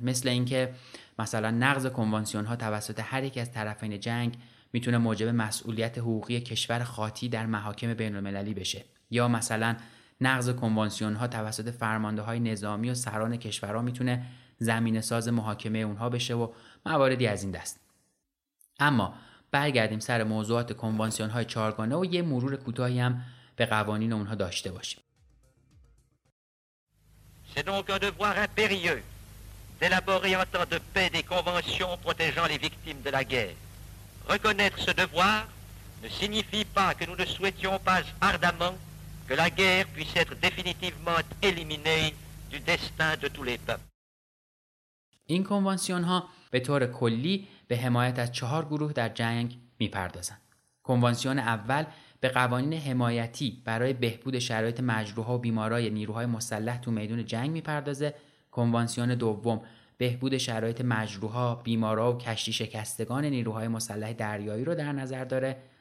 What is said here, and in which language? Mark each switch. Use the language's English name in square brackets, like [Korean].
[Persian] مثل اینکه مثلا نقض کنوانسیون‌ها توسط هر یک از طرفین جنگ میتونه موجب مسئولیت حقوقی کشور خاطی در محاکم بین‌المللی بشه، یا مثلا نقض کنوانسیون‌ها توسط فرمانده‌های نظامی و سران کشورها میتونه زمینه‌ساز محاکمه اونها بشه و مواردی از این دست. اما برگردیم سر موضوعات کنوانسیون‌های چهارگانه و یه مرور کوتاهی هم به قوانین اونها داشته باشیم. [French] C'est donc un devoir impérieux d'élaborer en temps de paix des conventions protégeant les victimes de la guerre. Reconnaître ce devoir ne signifie pas que nous ne souhaitions pas ardemment que la guerre puisse être définitivement éliminée du destin de tous les peuples. [Persian] این کنوانسیون ها به طور کلی به حمایت از 4 گروه در جنگ میپردازند. کنوانسیون اول به قوانین حمایتی برای بهبود شرایط مجروح‌ها و بیمارای نیروهای مسلح تو میدان جنگ می‌پردازه. کنوانسیون دوم بهبود شرایط مجروح‌ها، بیمارا و کشتی شکستگان نیروهای مسلح دریایی رو در نظر داره.